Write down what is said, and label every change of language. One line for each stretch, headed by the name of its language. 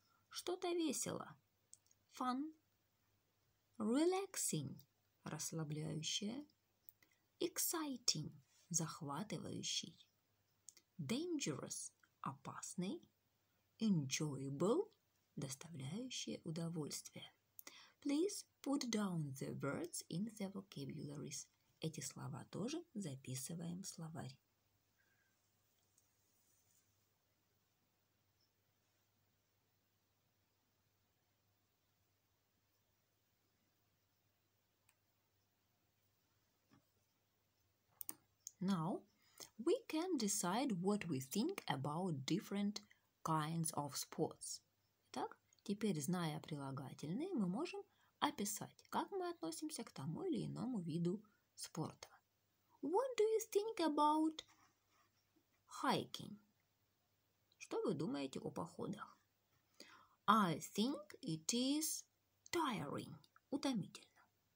Russian: Что-то весело.
English: Fun. Relaxing.
Russian: Расслабляющее.
English: Exciting.
Russian: Захватывающий.
English: Dangerous.
Russian: Опасный.
English: Enjoyable.
Russian: Доставляющие удовольствие.
English: Please put down the words in the vocabularies.
Russian: Эти слова тоже записываем в словарь.
English: Now we can decide what we think about different kinds of sports.
Russian: Так, Теперь, зная прилагательные, мы можем описать, как мы относимся к тому или иному виду спорта.
English: What do you think about hiking?
Russian: Что вы думаете о походах?
English: I think it is tiring.
Russian: Утомительно.